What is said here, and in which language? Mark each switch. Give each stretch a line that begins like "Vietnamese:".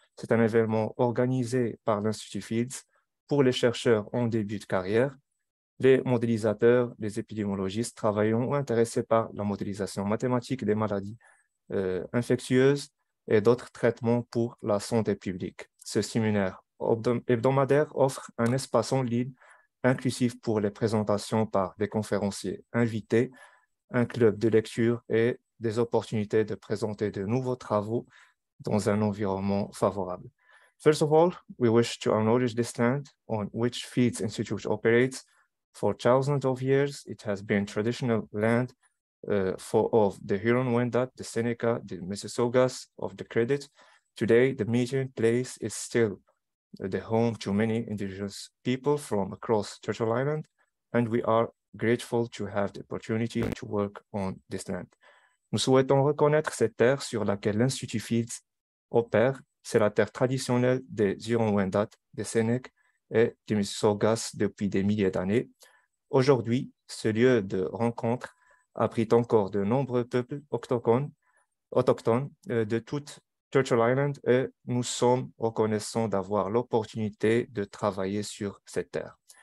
French: C'est un événement organisé par l'Institut Fields pour les chercheurs en début de carrière, les modélisateurs, les épidémiologistes travaillant ou intéressés par la modélisation mathématique des maladies infectieuses et d'autres traitements pour la santé publique. Ce séminaire hebdomadaire offre un espace en ligne inclusif pour les présentations par des conférenciers invités, un club de lecture et des opportunités de présenter de nouveaux travaux dans un environnement favorable.
English: First of all, we wish to acknowledge this land on which Fields Institute operates. For thousands of years, it has been traditional land of the Huron-Wendat, the Seneca, the Mississaugas of the Credit. Today, the meeting place is still the home to many indigenous people from across Turtle Island, and we are grateful to have the opportunity to work on this land.
French: Nous souhaitons reconnaître cette terre sur laquelle l'Institut Fields opère. C'est la terre traditionnelle des Huron-Wendat, des Sénèques et des Mississaugas depuis des milliers d'années. Aujourd'hui, ce lieu de rencontre abrite encore de nombreux peuples autochtones de toute Turtle Island, et nous sommes reconnaissants d'avoir l'opportunité de travailler sur cette terre.